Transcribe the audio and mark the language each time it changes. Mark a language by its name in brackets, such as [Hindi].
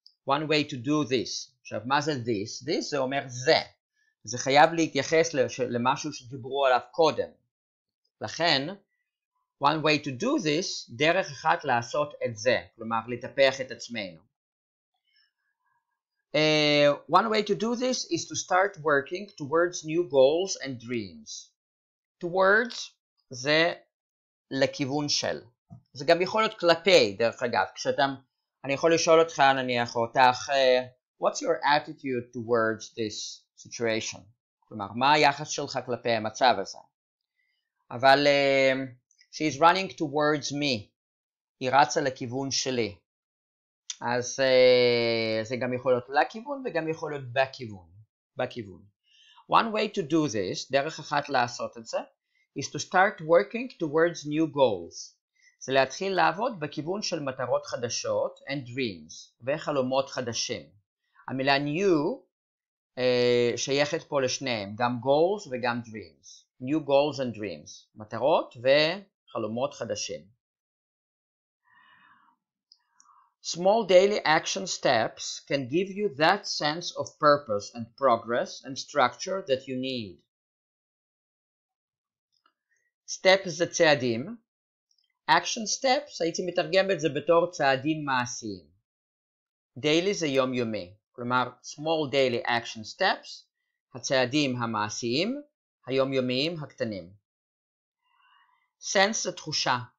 [English] One way to do this. [Hebrew] עכשיו, מה זה [English] this? This [Hebrew] זה אומר זה. זה חייב להתייחס למשהו שדיברו עליו קודם. לכן, [English] one way to do this, [Hebrew] דרך אחת לעשות את זה, כלומר לטפח את עצמנו. [English] One way to do this is to start working towards new goals and dreams. [Hebrew] Towards זה לכיוון של. זה גם יכול להיות כלפי, דרך אגב. אני יכול לשאול אותך, נניח, או אותך, [English] what's your attitude towards this situation? [Hebrew] כלומר, מה היחס שלך כלפי המצב הזה? אבל [English] she's running towards me. [Hebrew] היא רצה לכיוון שלי. אז זה גם יכול להיות לכיוון וגם יכול להיות בכיוון. [English] One way to do this, [Hebrew] דרך אחת לעשות את זה, [English] is to start working towards new goals. [Hebrew] זה להתחיל לעבוד בכיוון של מטרות חדשות [English] and dreams, [Hebrew] וחלומות חדשים. המילה new שייכת פה לשניהם, גם goals וגם dreams. [English] New goals and dreams, [Hebrew] מטרות וחלומות חדשים. [English] Small daily action steps can give you that sense of purpose and progress and structure that you need. [Hebrew] Step זה צעדים. Action steps, הייתי מתרגם את זה בתור צעדים מעשיים. Daily זה יומיומי. כלומר, [English] small daily action steps, [Hebrew] הצעדים המעשיים, היומיומיים הקטנים. Sense זה תחושה.